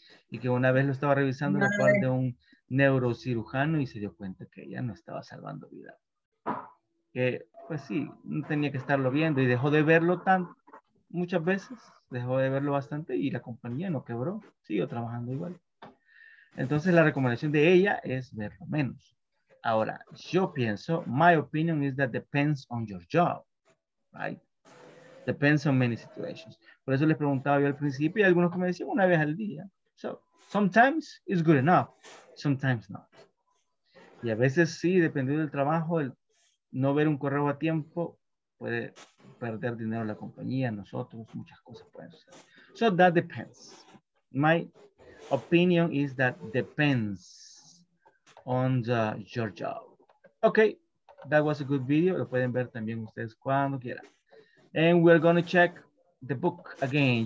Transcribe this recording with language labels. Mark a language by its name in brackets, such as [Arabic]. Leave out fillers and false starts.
[Spanish] Y que una vez lo estaba revisando lo cual de un neurocirujano y se dio cuenta que ella no estaba salvando vida. Que, pues sí, no tenía que estarlo viendo y dejó de verlo muchas veces, dejó de verlo bastante y la compañía no quebró, siguió trabajando igual. Entonces la recomendación de ella es verlo menos. Ahora, yo pienso, [English] my opinion is that depends on your job, right? Depends on many situations. [Spanish] Por eso les preguntaba yo al principio y algunos que me decían una vez al día. [English] So, sometimes it's good enough, sometimes not. [Spanish] Y a veces sí, dependiendo del trabajo, el no ver un correo a tiempo puede perder dinero la compañía, nosotros, muchas cosas pueden suceder. [English] So, that depends. My opinion is that depends on your job. Okay, that was a good video. [Spanish] Lo pueden ver también ustedes cuando quieran. [English] And we're going to check the book again.